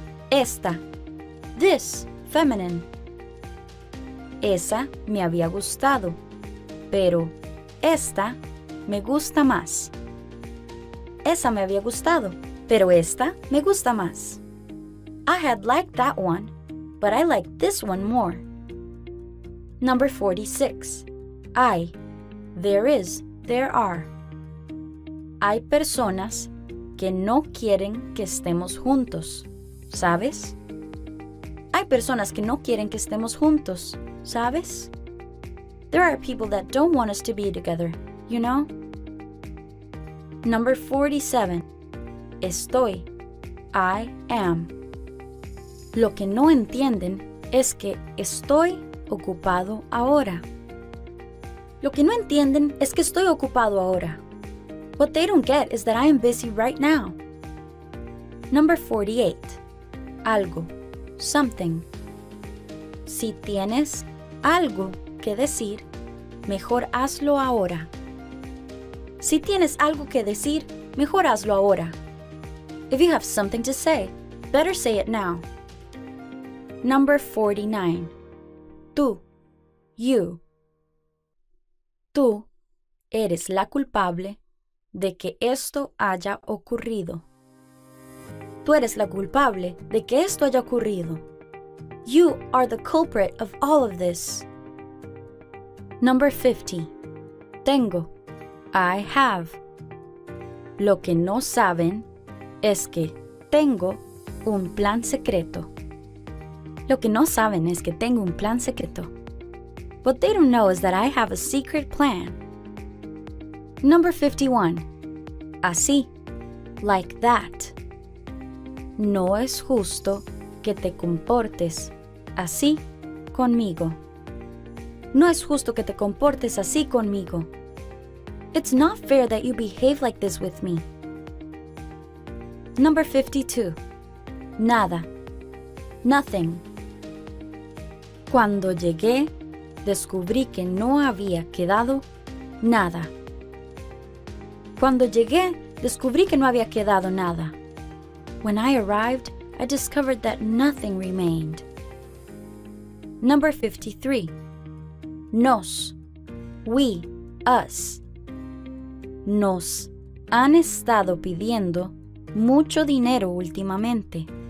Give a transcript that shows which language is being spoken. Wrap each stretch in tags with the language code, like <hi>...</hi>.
<es>Esta.</es> <en>This. Feminine.</en> <es>Esa me había gustado, pero esta me gusta más. Esa me había gustado, pero esta me gusta más.</es> <en>I had liked that one, but I like this one more. Number 46. Hay. There is. There are.</en> <es>Hay personas que no quieren que estemos juntos, ¿sabes? Hay personas que no quieren que estemos juntos, ¿sabes?</es> <en>There are people that don't want us to be together, you know? Number 47.</en> <es>Estoy.</es> <en>I am.</en> <es>Lo que no entienden es que estoy ocupado ahora. Lo que no entienden es que estoy ocupado ahora.</es> <en>What they don't get is that I am busy right now. Number 48. Algo. Something.</en> <es>Si tienes algo que decir, mejor hazlo ahora. Si tienes algo que decir, mejor hazlo ahora.</es> <en>If you have something to say, better say it now. Number 49. Tú. You.</en> <es>Tú eres la culpable de que esto haya ocurrido. Tú eres la culpable de que esto haya ocurrido.</es> <en>You are the culprit of all of this. Number 50. Tengo. I have.</en> <es>Lo que no saben es que tengo un plan secreto. Lo que no saben es que tengo un plan secreto.</es> <en>What they don't know is that I have a secret plan. Number 51. Así. Like that.</en> <es>No es justo que te comportes así conmigo. No es justo que te comportes así conmigo.</es> <en>It's not fair that you behave like this with me. Number 52. Nada. Nothing.</en> <es>Cuando llegué, descubrí que no había quedado nada. Cuando llegué, descubrí que no había quedado nada.</es> <en>When I arrived, I discovered that nothing remained. Number 53. Nos. We. Us.</en> <es>Nos han estado pidiendo mucho dinero últimamente.</es>